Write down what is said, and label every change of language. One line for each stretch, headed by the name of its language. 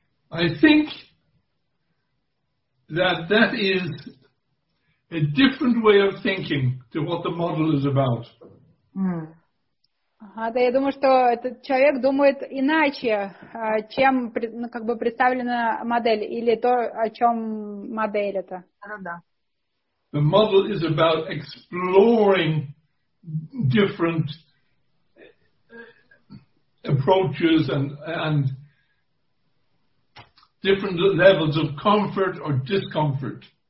English: I think that is a different way of thinking to what the model is about.
Russian: Да, я думаю, что этот человек думает иначе, чем как бы представлена модель или то, о чем модель это. Да.
English: The model is about exploring different approaches and different levels of comfort or discomfort.